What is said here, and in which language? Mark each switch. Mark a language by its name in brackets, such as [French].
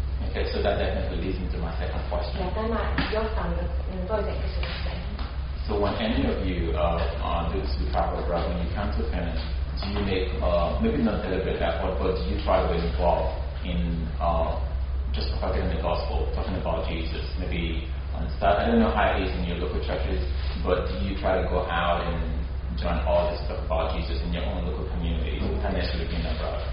[English] Okay, so that definitely leads me to my second question. [Finnish] Ja tämä johtaa minun toiseen kysymykseen. [English] So when any of you do to travel abroad, when you come to Finland, do you make maybe not deliberate effort, but do you try to involve in just talking the gospel, talking about Jesus, maybe on stuff? I don't know how it is in your local churches, but do you try to go out and join all this stuff about Jesus in your own local community, and actually being abroad?